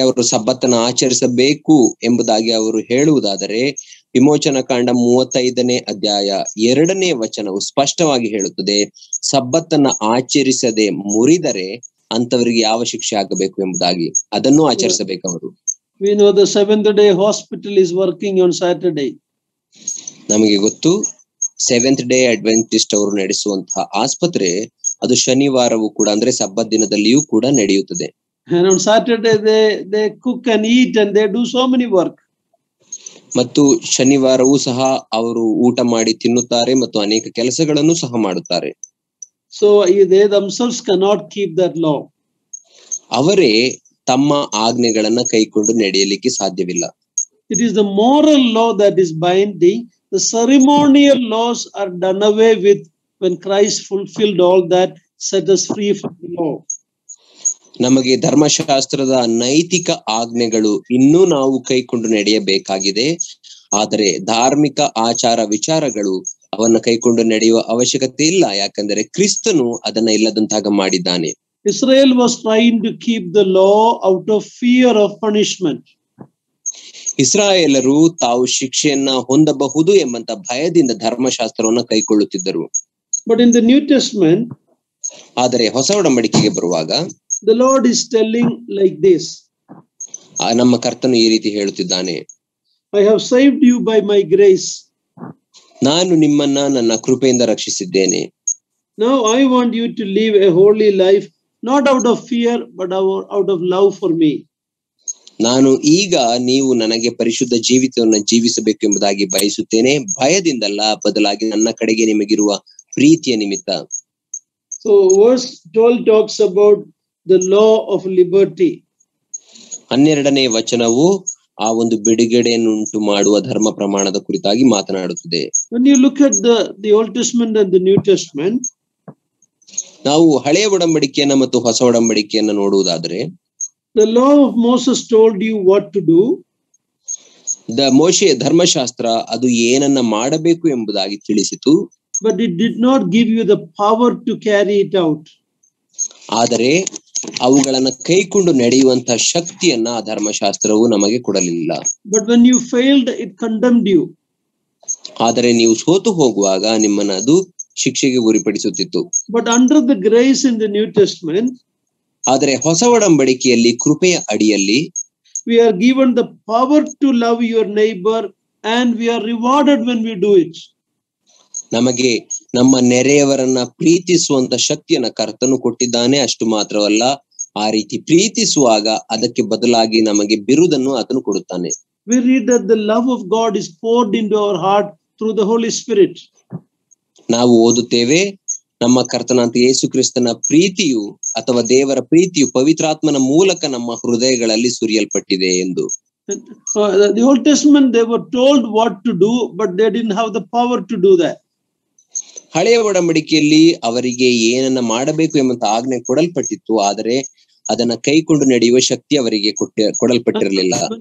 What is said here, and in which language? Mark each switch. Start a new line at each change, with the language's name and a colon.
Kannada: ಅವರು ಸಬ್ಬತ್ತನ್ನು ಆಚರಿಸಬೇಕು ಎಂಬುದಾಗಿ ಅವರು ಹೇಳುವುದಾದರೆ ವಿಮೋಚನ ಕಾಂಡ 35:2 ವಚನವು ಸ್ಪಷ್ಟವಾಗಿ ಹೇಳುತ್ತದೆ, ಸಬ್ಬತ್ತನ್ನ ಆಚರಿಸದೆ ಮುರಿದರೆ ಅಂತವರಿಗೆ ಯಾವ ಶಿಕ್ಷೆ ಆಗಬೇಕು ಎಂಬುದಾಗಿ. ಅದನ್ನು ಆಚರಿಸಬೇಕು ಅವರು.
English: We know the seventh day hospital is working on Saturday.
Kannada: ನಮಗೆ ಗೊತ್ತು ಸೆವೆಂತ್ ಡೇ ಅಡ್ವೆಂಟಿಸ್ಟ್ ಅವರು ನಡೆಸುವಂತಹ ಆಸ್ಪತ್ರೆ ಅದು ಶನಿವಾರವೂ ಕೂಡ ಅಂದ್ರೆ ಸಬ್ಬತ್ ದಿನದಲ್ಲಿಯೂ ಕೂಡ ನಡೆಯುತ್ತದೆ.
English: And on Saturday they cook and eat and they do so many work.
Kannada: ಮತ್ತು ಶನಿವಾರವೂ ಸಹ ಅವರು ಊಟ ಮಾಡಿ ತಿನ್ನುತ್ತಾರೆ ಮತ್ತು ಅನೇಕ ಕೆಲಸಗಳನ್ನು ಸಹ ಮಾಡುತ್ತಾರೆ.
English: So they themselves cannot keep that law.
Kannada: ಅವರೇ ತಮ್ಮ ಆಜ್ಞೆಗಳನ್ನ ಕೈಕೊಂಡು ನಡೆಯಲಿಕ್ಕೆ ಸಾಧ್ಯವಿಲ್ಲ.
English: It is the moral law that is binding. The ceremonial laws are done away with when Christ fulfilled all that, set us free from the law.
Kannada: ನಮಗೆ ಧರ್ಮಶಾಸ್ತ್ರದ ನೈತಿಕ ಆಜ್ಞೆಗಳು ಇನ್ನೂ ನಾವು ಕೈಕೊಂಡು ನಡೆಯಬೇಕಾಗಿದೆ, ಆದರೆ ಧಾರ್ಮಿಕ ಆಚಾರ ವಿಚಾರಗಳು ಅವನ್ನ ಕೈಕೊಂಡು ನಡೆಯುವ ಅವಶ್ಯಕತೆ ಇಲ್ಲ, ಯಾಕಂದರೆ ಕ್ರಿಸ್ತನು ಅದನ್ನ ಇಲ್ಲದಂತಾಗ ಮಾಡಿದ್ದಾನೆ.
English: Israel was trying to keep the law out of fear of punishment.
Kannada: ಇಸ್ರಾಯೇಲರು ತಾವು ಶಿಕ್ಷೆಯನ್ನ ಹೊಂದಬಹುದು ಎಂಬಂತ ಭಯದಿಂದ ಧರ್ಮಶಾಸ್ತ್ರವನ್ನು ಕೈಕೊಳ್ಳುತ್ತಿದ್ದರು.
English: but in the new testament,
Kannada: ಆದರೆ ಹೊಸ ಒಡಂಬಡಿಕೆಗೆ ಬರುವಾಗ,
English: The Lord is telling like this.
Kannada: ನಮ್ಮ ಕರ್ತನು ಈ ರೀತಿ ಹೇಳುತ್ತಿದ್ದಾನೆ,
English: I have saved you by my grace.
Kannada: ನಾನು ನಿಮ್ಮನ್ನ ನನ್ನ ಕೃಪೆಯಿಂದ ರಕ್ಷಿಸಿದ್ದೇನೆ.
English: Now I want you to live a holy life, not out of fear, but out of love for me.
Kannada: ನಾನು ಈಗ ನೀವು ನನಗೆ ಪರಿಶುದ್ಧ ಜೀವಿತವನ್ನು ಜೀವಿಸಬೇಕು ಎಂಬುದಾಗಿ ಬಯಸುತ್ತೇನೆ, ಭಯದಿಂದಲ್ಲ, ಬದಲಾಗಿ ನನ್ನ ಕಡೆಗೆ ನಿಮಗಿರುವ ಪ್ರೀತಿಯ ನಿಮಿತ್ತ.
English: So verse 12 talks about the law of liberty.
Kannada: 12ನೇ ವಚನವು ಆ ಒಂದು ಬಿಡುಗಡೆಯನ್ನುಂಟು ಮಾಡುವ ಧರ್ಮ ಪ್ರಮಾಣದ ಕುರಿತಾಗಿ ಮಾತನಾಡುತ್ತದೆ.
English: When you look at the Old Testament and the New Testament,
Kannada: ನಾವು ಹಳೆಯ ಒಡಂಬಡಿಕೆಯನ್ನು ಮತ್ತು ಹೊಸ ಒಡಂಬಡಿಕೆಯನ್ನು ನೋಡುವುದಾದರೆ,
English: the law of Moses told you what to do.
Kannada: The Moshe ಧರ್ಮಶಾಸ್ತ್ರ ಅದು ಏನನ್ನ ಮಾಡಬೇಕು ಎಂಬುದಾಗಿ ತಿಳಿಸಿತು.
English: But it did not give you the power to carry it out.
Kannada: ಆದರೆ ಅವುಗಳನ್ನು ಕೈಕೊಂಡು ನಡೆಯುವಂತಹ ಶಕ್ತಿಯನ್ನ ಆ ಧರ್ಮಶಾಸ್ತ್ರವು ನಮಗೆ ಕೊಡಲಿಲ್ಲ.
English: But when you failed, it condemned you.
Kannada: ಆದರೆ ನೀವು ಸೋತು ಹೋಗುವಾಗ ನಿಮ್ಮನ್ನ ಅದು ಶಿಕ್ಷೆಗೆ ಗುರಿಪಡಿಸುತ್ತಿತ್ತು.
English: But under the grace in the New Testament,
Kannada: ಆದರೆ ಹೊಸ ಒಡಂಬಡಿಕೆಯಲ್ಲಿ ಕೃಪೆಯ ಅಡಿಯಲ್ಲಿ,
English: we are given the power to love your neighbor and we are rewarded when we do it.
Kannada: ನಮಗೆ ನಮ್ಮ ನೆರೆಯವರನ್ನ ಪ್ರೀತಿಸುವಂತ ಶಕ್ತಿಯನ್ನ ಕರ್ತನು ಕೊಟ್ಟಿದ್ದಾನೆ. ಅಷ್ಟು ಮಾತ್ರವಲ್ಲ, ಆ ರೀತಿ ಪ್ರೀತಿಸುವಾಗ ಅದಕ್ಕೆ ಬದಲಾಗಿ ನಮಗೆ ಬಿರುದನ್ನು ಆತನು ಕೊಡುತ್ತಾನೆ.
English: We read that the love of God is poured into our heart through the Holy Spirit.
Kannada: ನಾವು ಓದುತ್ತೇವೆ, ನಮ್ಮ ಕರ್ತನಾದ ಯೇಸು ಕ್ರಿಸ್ತನ ಪ್ರೀತಿಯು ಅಥವಾ ದೇವರ ಪ್ರೀತಿಯು ಪವಿತ್ರಾತ್ಮನ ಮೂಲಕ ನಮ್ಮ ಹೃದಯಗಳಲ್ಲಿ ಸುರಿಯಲ್ಪಟ್ಟಿದೆ ಎಂದು.
English: The Old Testament, they were told what to do, but they didn't have the power to do that.
Kannada: ಹಳೆಯ ಒಡಂಬಡಿಕೆಯಲ್ಲಿ ಅವರಿಗೆ ಏನನ್ನ ಮಾಡಬೇಕು ಎಂಬಂತ ಆಜ್ಞೆ ಕೊಡಲ್ಪಟ್ಟಿತ್ತು, ಆದರೆ ಅದನ್ನ ಕೈಕೊಂಡು ನಡೆಯುವ ಶಕ್ತಿ ಅವರಿಗೆ ಕೊಡಲ್ಪಟ್ಟಿರಲಿಲ್ಲ.